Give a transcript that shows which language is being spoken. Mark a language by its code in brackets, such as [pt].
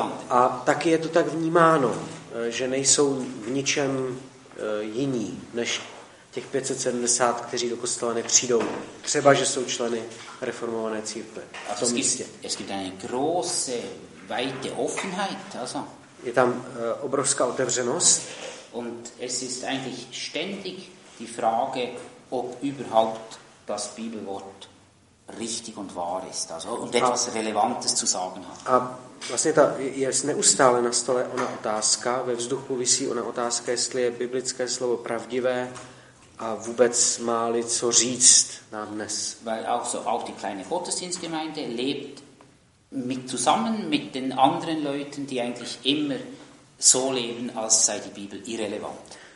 [cs] A taky je to tak vnímáno, že nejsou v ničem jiní než těch 570, kteří do kostela nepřijdou. Třeba, že jsou členy reformované církve. A to místě. [de] Es gibt eine große, weite Offenheit, also. [cs] Je tam obrovská otevřenost. [de] Und es ist eigentlich ständig die Frage, ob überhaupt das Bibelwort richtig und wahr ist, also und etwas Relevantes zu sagen hat. [cs] A vlastně ta je neustále na stole ona otázka, ve vzduchu visí ona otázka, jestli je biblické slovo pravdivé a vůbec má-li co říct nám dnes. [de] Weil auch so auch die kleine Gottesdienstgemeinde lebt mit zusammen mit den anderen Leuten, die eigentlich immer so leben, als sei die Bibel irrelevant.